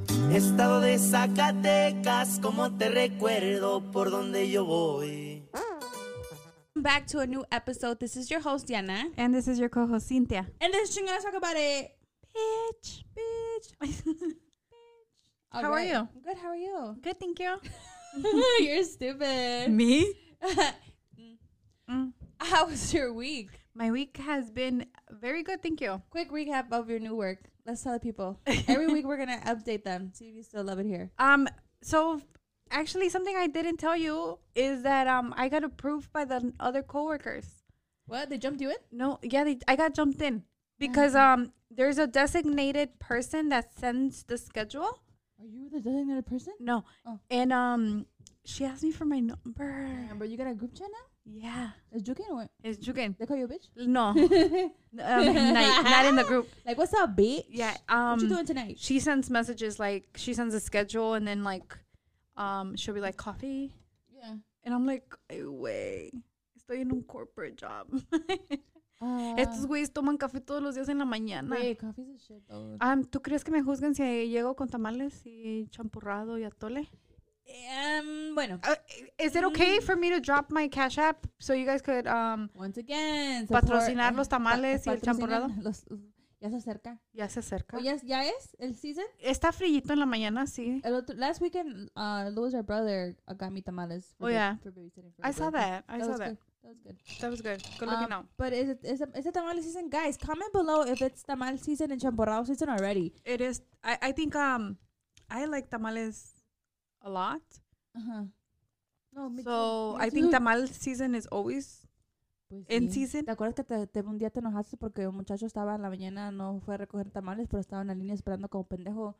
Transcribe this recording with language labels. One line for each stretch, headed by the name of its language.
Spanish: Estado de Zacatecas, como te recuerdo por donde yo voy.
English: Welcome back to a new episode. This is your host, Diana. And this is your co-host, Cynthia. And this is going to talk about it. Bitch. Bitch. All how right. are you? Good, how are you? Good, thank you. You're stupid. Me? How was your week? My week has been very good, thank you. Quick recap of your new work. Let's tell the people. Every week we're going to update them. See if you still love it here. So, actually, something I didn't tell you is that I got approved by the other coworkers. What? They jumped you in? No. Yeah, I got jumped in. Because there's a designated person that sends the schedule. Are you the designated person? No. Oh. And she asked me for my number. Number. You got a group chat now? Yeah. It's Jukin or what? It's Jukin. They call you a bitch? No. not in the group. Like, what's up, bitch? Yeah. What you doing tonight? She sends messages, like, she sends a schedule, and then, like, she'll be like, coffee? Yeah. And I'm like,
Spanish: ay, wey. Estoy en un
English: corporate job.
Spanish: Estos güeyes toman café todos los días en la mañana.
English: Wait, coffee's a shit, though.
Spanish: ¿Tú crees que me juzguen si llego con tamales y champurrado y atole? Bueno.
English: Is it okay for me to drop my Cash App so you guys could once again
Spanish: patrocinar los tamales y el champurrado? Ya se acerca. Ya se acerca. Oh, ya es el season. Está frillito en la mañana, sí.
English: Last weekend, Louis, our brother, got me tamales. For babysitting. I saw that. That was good. But is it tamal season? Guys, comment below if it's tamal season and champurrado season already. It is. I think I like tamales a lot. I think tamal season is always in season.
Spanish: ¿Te acuerdas que te un día te enojaste porque un muchacho estaba en la mañana, no fue a recoger tamales, pero estaba en la línea esperando como pendejo?